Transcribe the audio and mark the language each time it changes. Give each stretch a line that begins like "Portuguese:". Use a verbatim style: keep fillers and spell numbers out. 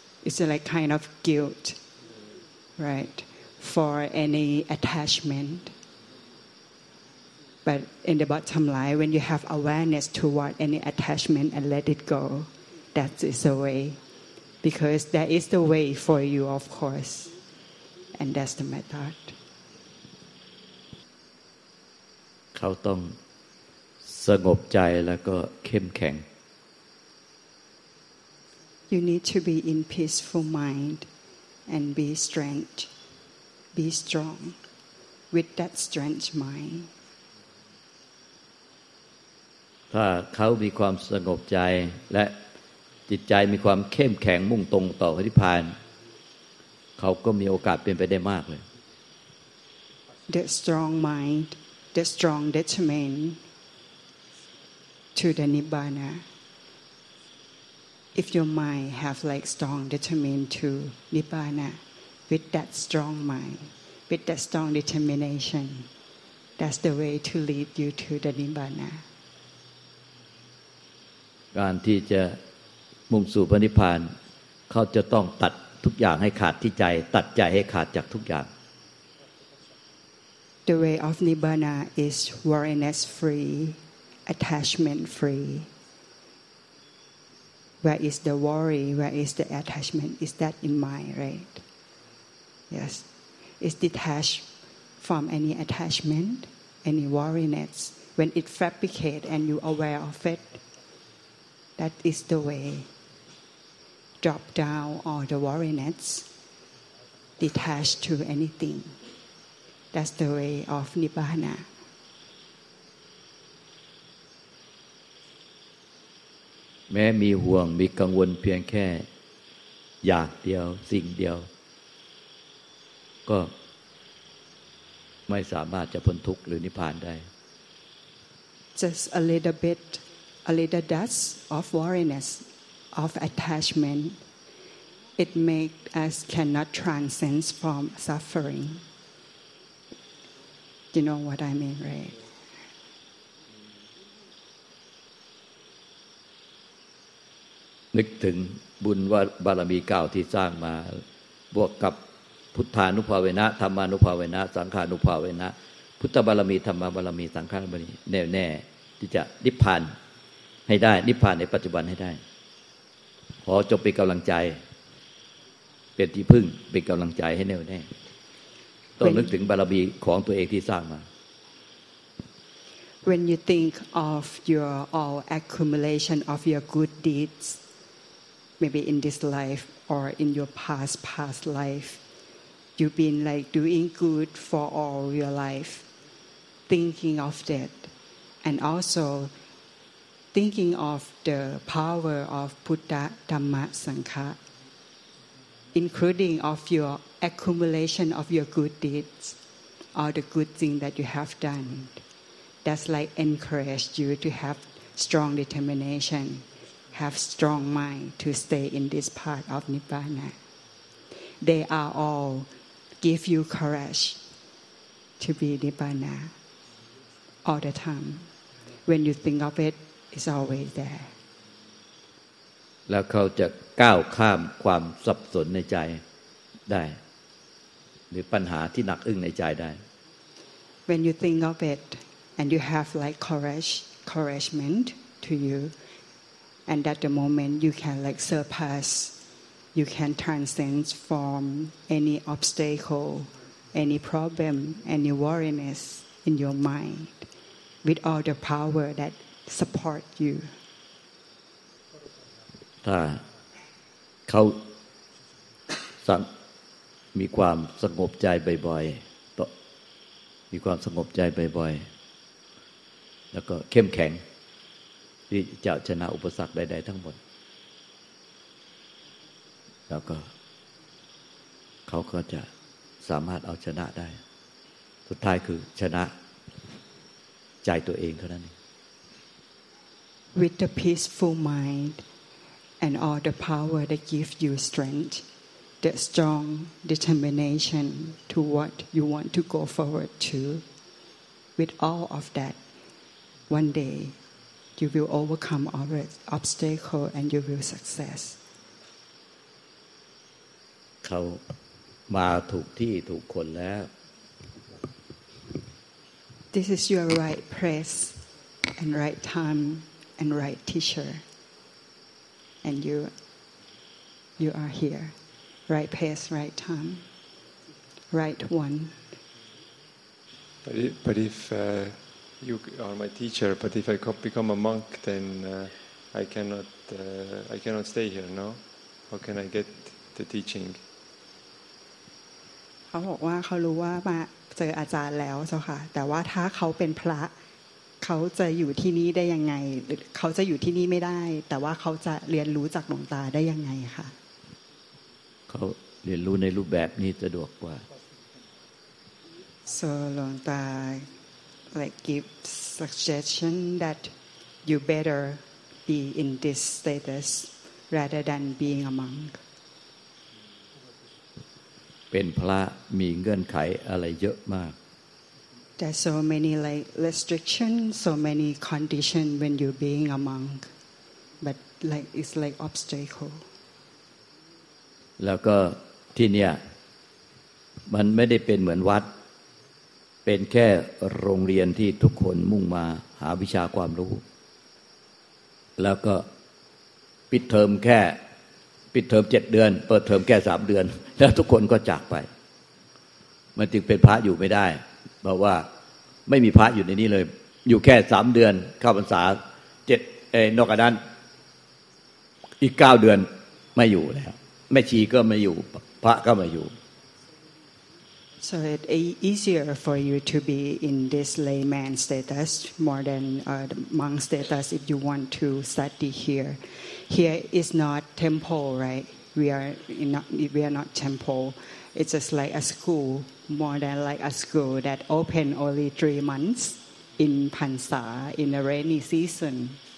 English: It's like kind of guilt, right, for any attachment. But in the bottom line, when you have awareness toward any attachment and let it go, that is the way. Because that is the way for you, of course. And that's the method.
Thai: เขาต้องสงบใจแล้วก็เข้มแข็ง
English: You need to be in peaceful mind and be strength. Be strong with that strength mind.
Thai: ถ้าเขามีความสงบใจและจิตใจมีความเข้มแข็งมุ่งตรงต่อพระนิพพานเขาก็มีโอกาสเป็นไปได้มากเลย
English: The strong mind, the strong determination to the Nibbana. If your mind have like strong determination to Nibbana, with that strong mind, with that strong determination, that's the way to lead you to the Nibbana.
Thai: การที่จะมุ่งสู่พระนิพพานเขาจะต้องตัดทุกอย่างให้ขาดที่ใจตัดใจให้ขาดจากทุกอย่าง
English: The way of Nibbana is worriness free, attachment free. Where is the worry? Where is the attachment? Is that in mind, right? Yes. It's detached from any attachment, any worriness. When it fabricates and you aware of it, that is the way. Drop down all the worriness, detach to anything. That's the way of Nibbana.
Thai: แม้มีห่วงมีกังวลเพียงแค่อยากเดียวสิ่งเดียวก็ไม่สามารถจะพ้นทุกข์หรือนิพพานได้
English: Just a little bit, a little dust of worriness. Of attachment, it makes us cannot transcend from suffering. You know what I mean, right?
Thai: นึกถึงบุญว่าบารมีเก่าที่สร้างมาบวกกับพุทธานุภาเวนะธรรมานุภาเวนะสังฆานุภาเวนะพุทธบารมีธรรมบารมีสังฆาบารมีแน่วแน่ที่จะนิพพานให้ได้นิพพานในปัจจุบันให้ได้ขอจบเป็นกำลังใจเป็นที่พึ่งเป็นกำลังใจให้แน่วแน่ต้องนึกถึงบารมีของตัวเองที่สร้างมา
English: When you think of your all accumulation of your good deeds, maybe in this life or in your past past life, you've been like doing good for all your life, thinking of that, and also. Thinking of the power of Buddha, Dhamma, Sangha, including of your accumulation of your good deeds, all the good things that you have done, that's like encourage you to have strong determination, have strong mind to stay in this path of Nibbana. They are all give you courage to be Nibbana all the time. When you think of it. It's always there.
Thai: แล้วเขาจะก้าวข้ามความสับสนในใจได้หรือปัญหาที่หนักอึ้งในใจได้
English: When you think of it and you have like courage, encouragement to you, and at the moment you can like surpass, you can transcend from any obstacle, any problem, any worriness in your mind with all the power that. Support you.
Thai: ถ้าเขามีความสงบใจบ่อยๆมีความสงบใจบ่อยๆแล้วก็เข้มแข็งที่จะชนะอุปสรรคใดๆทั้งหมดแล้วก็เขาก็จะสามารถเอาชนะได้สุดท้ายคือชนะใจตัวเองเท่านั้น
English: With the peaceful mind and all the power that gives you strength, the strong determination to what you want to go forward to. With all of that, one day you will overcome all the obstacle and you will success.
Thai: เขามาถูกที่ถูกคนแล้ว
English: This is your right place and right time and right teacher, and you you are here. Right place, right time, right one. But if, but if uh, you are my teacher, but if I become a monk, then uh, I cannot, uh, I cannot stay here. No, how can I get the teaching?
Thai: เขาบอกว่าเขารู้ว่ามาเจออาจารย์แล้วเจ้าค่ะแต่ว่าถ้าเขาเป็นพระเขาจะอยู่ที่นี่ได้ยังไงเขาจะอยู่ที่นี่ไม่ได้แต่ว่าเขาจะเรียนรู้จากหลวงตาได้ยังไงค่ะ เขาเรียนรู้ในรูปแบบนี้สะดวกกว่า
English: So Longta like give suggestion that you better be in this status rather than being a monk.
Thai: เป็นพระมีเงื่อนไขอะไรเยอะมาก
English: There's so many like restrictions, so many conditions when you're being a monk, but like it's like obstacle.
Thai: แล้วก็ที่เนี่ยมันไม่ได้เป็นเหมือนวัดเป็นแค่โรงเรียนที่ทุกคนมุ่งมาหาวิชาความรู้ แล้วก็ปิดเทอมแค่ปิดเทอมเจ็ดเดือนเปิดเทอมแค่สามเดือนแล้วทุกคนก็จากไปมันจึงเป็นพระอยู่ไม่ได้เพราะว่าไม่มีพระอยู่ในนี้เลยอยู่แค่สามเดือนเข้าพรรษาเจ็ดเอ้ยนอกจากนั้นอีกเก้าเดือนไม่อยู่แล้วแม่ชีก็ไม่อยู่พระก็ไม่อยู่
English: So it's easier for you to be in this layman status more than uh, the monk status if you want to study here. Here is not temple, right? We are not, we are not temple. It's just like a school, more than like a school that open only three months in Pansa in the rainy season.